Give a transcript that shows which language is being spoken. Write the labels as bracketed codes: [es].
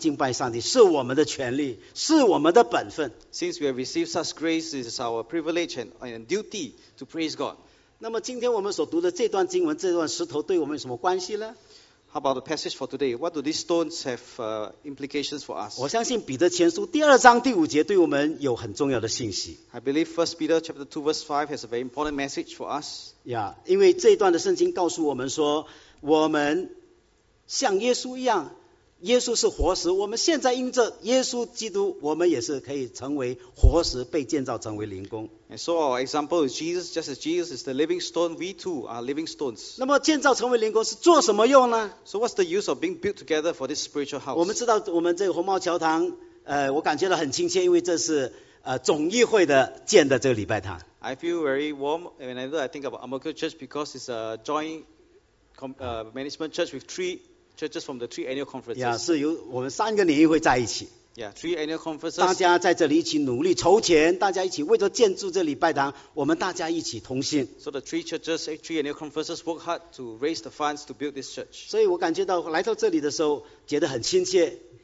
[zh] 所以我想我们既然是蒙恩的人，赞美上帝、敬拜上帝是我们的权利，是我们的本分。 [en] Since we have received such grace, it is our privilege and duty to praise God. [zh] 那么今天我们所读的这段经文，这段石头对我们有什么关系呢？ [en] How about the passage for today? What do these stones have implications for us? [zh] 我相信彼得前书第二章第五节对我们有很重要的信息。 [en] I believe 1 Peter chapter 2 verse 5 has a very important message for us. [zh] Yeah, 因为这一段的圣经告诉我们说，我们像耶稣一样，耶稣是活石，我们现在因着耶稣基督，我们也是可以成为活石，被建造成为灵宫。 [en] And so our example is Jesus, just as Jesus is the living stone, we too are living stones. [zh] 那么建造成为灵宫是做什么用呢？ [en] So what's the use of being built together for this spiritual house? [zh] 我们知道我们这个红帽桥堂, 我感觉到很亲切, 因为这是, 总议会的建的这个礼拜堂。 [en] I feel very warm whenever I think about Amoco Church because it's a joint management church with three churches from the three annual conferences. [zh] Yeah, 是由我们三个联谊会在一起。 [en] Yeah, three annual conferences. [zh] 大家在这里一起努力筹钱，大家一起为着建筑这礼拜堂，我们大家一起同心。 [en] So the three churches, three annual conferences work hard to raise the funds to build this church. [zh] 所以我感觉到来到这里的时候，觉得很亲切。